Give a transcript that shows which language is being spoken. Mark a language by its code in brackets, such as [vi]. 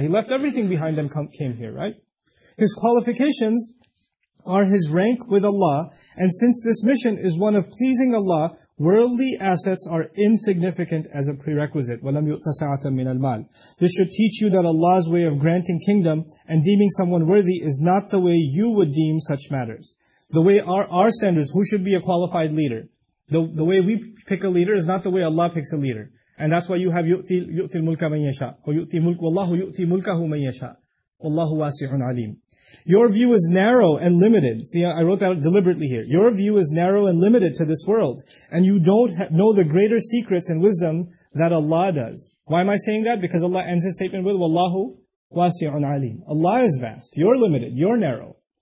[en] He left everything behind and came here, right? His qualifications are his rank with Allah, and since this mission is one of pleasing Allah, worldly assets are insignificant as a prerequisite. [ar] وَلَمْ يُؤْتَ سَعَةً مِنَ الْمَالِ. [en] This should teach you that Allah's way of granting kingdom and deeming someone worthy is not the way you would deem such matters. The way our standards, who should be a qualified leader? The way we pick a leader is not the way Allah picks a leader. And that's why you have [ar] يُؤْتِي الْمُلْكَ مَنْ يَشَاءُ وَاللَّهُ يُؤْتِي مُلْكَهُ مَنْ يَشَاءُ وَاللَّهُ وَاسِعٌ عَلِيمٌ. [en] Your view is narrow and limited. See, I wrote that deliberately here. Your view is narrow and limited to this world. And you don't know the greater secrets and wisdom that Allah does. Why am I saying that? Because Allah ends his statement with, [ar] Wallahu wasi'un alim. [en] Allah is vast. You're limited. You're narrow.